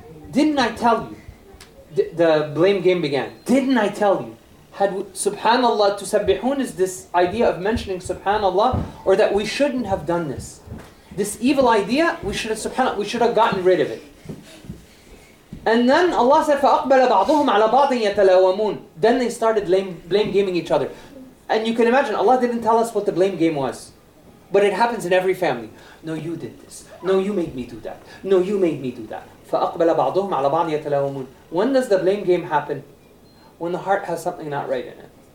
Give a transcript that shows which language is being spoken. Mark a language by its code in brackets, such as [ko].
[en] Didn't I tell you? The blame game began. Didn't I tell you? Had subhanallah tusabbihun is this idea of mentioning subhanallah, or that we shouldn't have done this. This evil idea, we should have gotten rid of it. And then Allah said, [ar] فَأَقْبَلَ بَعْضُهُمْ عَلَى بَعْضٍ يَتَلَوَمُونَ. [en] Then they started blame gaming each other. And you can imagine, Allah didn't tell us what the blame game was. But it happens in every family. No, you did this. No, you made me do that. No, you made me do that. [ar] فَأَقْبَلَ بَعْضُهُمْ عَلَى بَعْضٍ يَتَلَوَمُونَ. [en] When does the blame game happen? When the heart has something not right in it.